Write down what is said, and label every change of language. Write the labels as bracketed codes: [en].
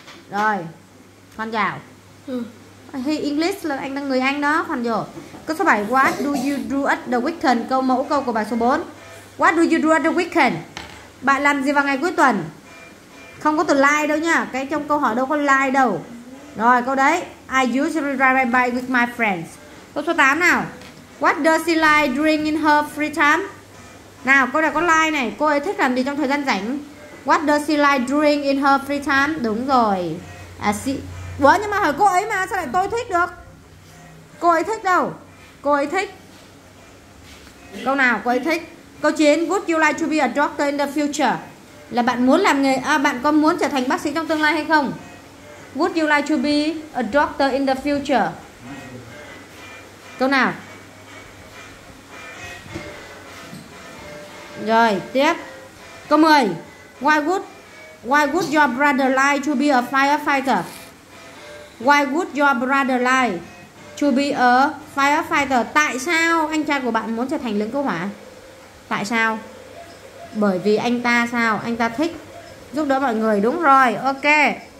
[vi] Rồi, khoan chào. He English là anh đang người Anh đó, khoan vô. Câu số 7, [en] what do you do at the weekend? [vi] Câu mẫu câu của bài số 4. [en] What do you do at the weekend? [vi] Bạn làm gì vào ngày cuối tuần? Không có từ like đâu nha, cái trong câu hỏi đâu có like đâu. Rồi, câu đấy. [en] I usually ride my bike with my friends. [vi] Câu số 8 nào. [en] What does she like doing in her free time? [vi] Nào, câu này có like này. Cô ấy thích làm gì trong thời gian rảnh? [en] What does she like doing in her free time? [vi] Đúng rồi. À, she... Ủa, nhưng mà hỏi cô ấy mà, sao lại tôi thích được? Cô ấy thích đâu? Cô ấy thích. Câu nào cô ấy thích? Câu 9, [en] would you like to be a doctor in the future? [vi] Là bạn muốn làm nghề, à, bạn có muốn trở thành bác sĩ trong tương lai hay không? [en] Would you like to be a doctor in the future? [vi] Câu nào? Rồi, tiếp. Câu 10. [en] Why would your brother like to be a firefighter? Why would your brother like to be a firefighter? [vi] Tại sao anh trai của bạn muốn trở thành lính cứu hỏa? Tại sao? Bởi vì anh ta sao? Anh ta thích giúp đỡ mọi người, đúng rồi. Ok.